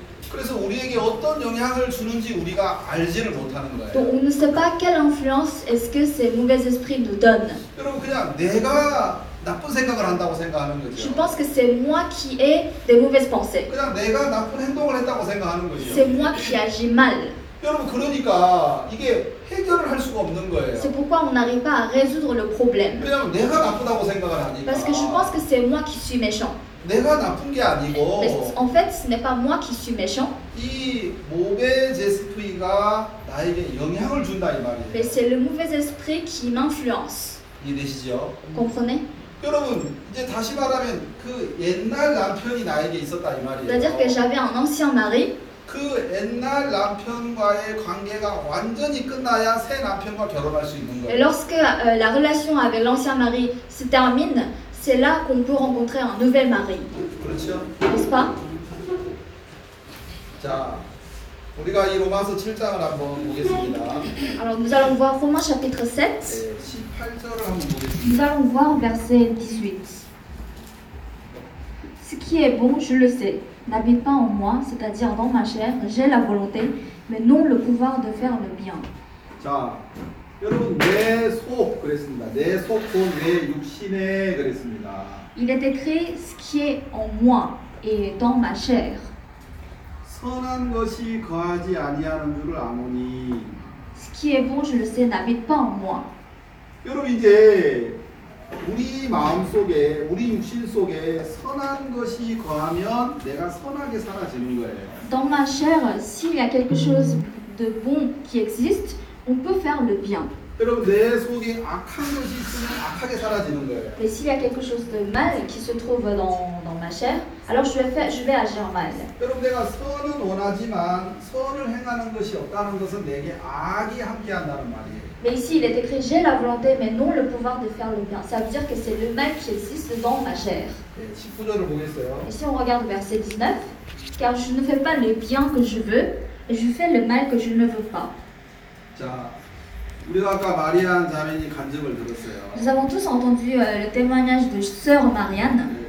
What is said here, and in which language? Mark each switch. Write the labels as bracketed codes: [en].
[ko] 그래서 우리에게 어떤 영향을 주는지 우리가 알지를 못하는 거예요. [fr] Donc on ne sait pas quelle influence est-ce que ces mauvais esprits nous donnent. [ko] 여러분 그냥 내가 나쁜 생각을 한다고 생각하는 거죠. [fr] Je pense que c'est moi qui ai des mauvaises pensées. [ko] 그냥 내가 나쁜 행동을 했다고 생각하는 거죠. [fr] C'est moi qui agis mal. [ko] 여러분 그러니까 이게 해결을 할 수가 없는 거예요. [fr] C'est pourquoi on n'arrive pas à résoudre le problème. [ko] 그냥 내가 나쁘다고 생각을 하니까. [fr] Parce que je pense que c'est moi qui suis méchant. [ko] 내가 나쁜 게 아니고. [fr] Mais en fait, ce n'est pas moi qui suis méchant. [ko] 이 [fr] mauvais esprit [ko] 가 나에게 영향을 준다 이 말이에요. [fr] Mais c'est le mauvais esprit qui m'influence. [ko] 이해되시죠? [fr] Comprenez? [ko] 여러분 이제 다시 말하면 그 옛날 남편이 나에게 있었다 이 말이에요. [fr] C'est-à-dire que j'avais un ancien mari. [ko] 그 옛날 남편과의 관계가 완전히 끝나야 새 남편과 결혼할 수 있는 거예요. [fr] Et lorsque la relation avec l'ancien mari se termine, c'est là qu'on peut rencontrer un nouvel mari. [ko] 그렇죠? [fr] N'est-ce pas? [ko] 자, 우리가 이 로마서 7장을 한번 보겠습니다. [fr] Alors nous allons voir Romains chapitre 7. [ko] 18절을 한번 보겠습니다. [fr] Nous allons voir verset 18. Ce qui est bon, je le sais. N'habite pas en moi, c'est-à-dire dans ma chair, j'ai la volonté, mais non le pouvoir de faire le bien. [ko] 자, 여러분, 내 속, 그랬습니다. 내 속도, 내 육신에, 그랬습니다. [fr] Il est écrit ce qui est en moi et dans ma chair. [ko] 선한 것이 거하지 아니하는 줄을 아노니. [fr] Ce qui est bon, je le sais, n'habite pas en moi. [ko] 여러분, 이제 우리 마음 속에 우리 육신 속에 선한 것이 거하면 내가 선하게 살아지는 거예요. [fr] Dans ma chair, s'il y a quelque chose de bon qui existe, on peut faire le bien. [ko] 여러분 내 속에 악한 것이 있으면 악하게 살아지는 거예요. [fr] Mais s'il y a quelque chose de mal qui se trouve dans ma chair, alors je vais agir mal. [ko] 여러분 내가 선은 원하지만 선을 행하는 것이 없다는 것은 내게 악이 함께한다는 말이에요. [fr] Mais ici, il est écrit « J'ai la volonté, mais non le pouvoir de faire le bien. » Ça veut dire que c'est le mal qui existe dans ma chair. Et si on regarde verset 19, « Car je ne fais pas le bien que je veux, et je fais le mal que je ne veux pas. » Nous avons tous entendu le témoignage de Sœur Marianne.